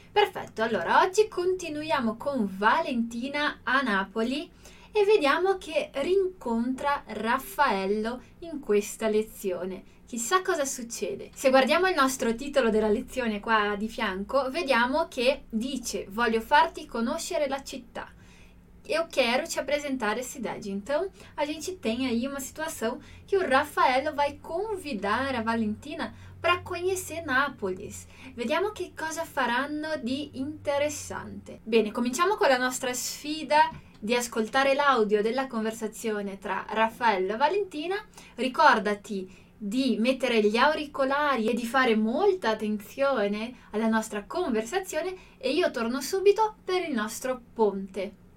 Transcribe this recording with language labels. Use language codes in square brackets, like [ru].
[it] Perfetto, allora oggi continuiamo con Valentina a Napoli e vediamo che rincontra Raffaello in questa lezione. Chissà cosa succede. Se guardiamo il nostro titolo della lezione qua di fianco, vediamo che dice: "Voglio farti conoscere la città. [pt] Eu quero te apresentar a cidade." Então, a gente tem aí uma situação que o Raffaello vai convidar a Valentina para conhecer Nápoles. [it] Vediamo che cosa faranno di interessante. Bene, cominciamo con la nostra sfida di ascoltare l'audio della conversazione tra Raffaello e Valentina. Ricordati di mettere gli auricolari e di fare molta attenzione alla nostra conversazione e io torno subito per il nostro ponte.